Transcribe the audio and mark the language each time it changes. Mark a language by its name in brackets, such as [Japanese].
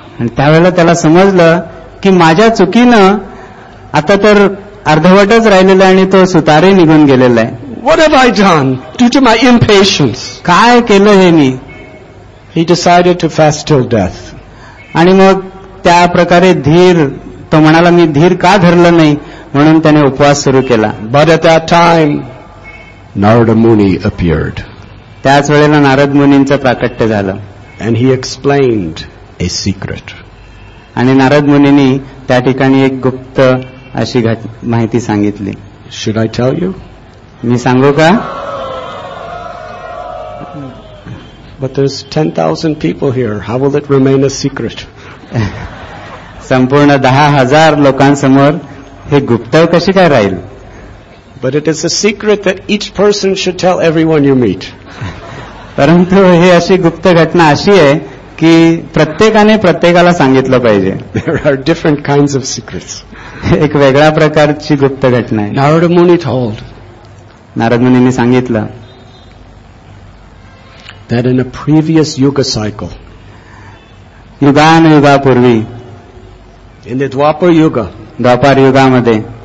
[Marathi] आणि त्यावेळेला त्याला समजलं की माझ्या चुकीनं आता तर अर्धवटच राहिलेलं आणि तो सुतारे निघून गेलेला आहे. [English] What have I done due to my impatience? [Marathi] काय केलं हे मी? [English] He decided to fast till death. [Marathi] आणि मग त्या प्रकारे धीर तो म्हणाला मी धीर का धरलं नाही म्हणून त्याने उपवास सुरू केला. [English] But at that time Narada Muni appeared. [Marathi] त्याच वेळेला नारद मुनींचं प्राकट्य झालं. [English] And he explained a secret. [Marathi] आणि नारद मुनीने त्या ठिकाणी एक गुप्त अशी माहिती सांगितली. [English] Should I tell you? [Marathi] मी सांगू का? [English] But there is 10,000 people here, how will it remain a secret? [Marathi] संपूर्ण 10,000 लोकांसमोर हे गुप्त कशी काय राहील? [English] But it is a secret that each person should tell everyone you meet. [Marathi] परंतु हे अशी गुप्त घटना अशी आहे की प्रत्येकाने प्रत्येकाला सांगितलं पाहिजे. [English] There are different kind of secrets. [Marathi] एक वेगळ्या प्रकारची गुप्त घटना आहे. [English] Narad Muni told, [Marathi] नारद मुनीने सांगितलं, [English] that in a previous yuga cycle, [Marathi] युगानुयुगापूर्वी, [English] in the Dwapar yuga, [Marathi] द्वापर युगामध्ये,